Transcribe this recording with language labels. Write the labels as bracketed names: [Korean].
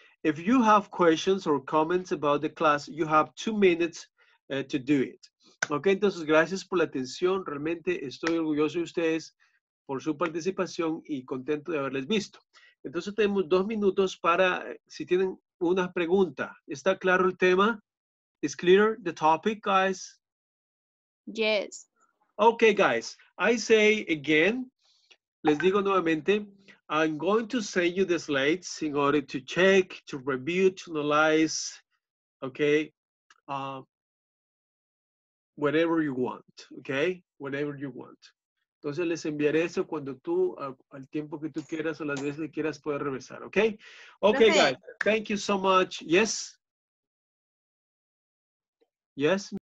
[English] If you have questions or comments about the class, you have 2 minutes to do it. [Spanish] Okay, entonces, gracias por la atención. Realmente estoy orgulloso de ustedes por su participación y contento de haberles visto. Entonces tenemos 2 minutos para, si tienen una pregunta. ¿Está claro el tema? [English] ¿Is clear the topic, guys? Yes. Okay, guys. I say again, [Spanish] les digo nuevamente, [English] I'm going to send you the slides in order to check, to review, to analyze, okay? Whatever you want, okay? Whatever you want. [Spanish] Entonces les enviaré eso cuando tú, al tiempo que tú quieras o las veces que quieras poder regresar, okay? [English] Okay, guys. Thank you so much. Yes? Yes?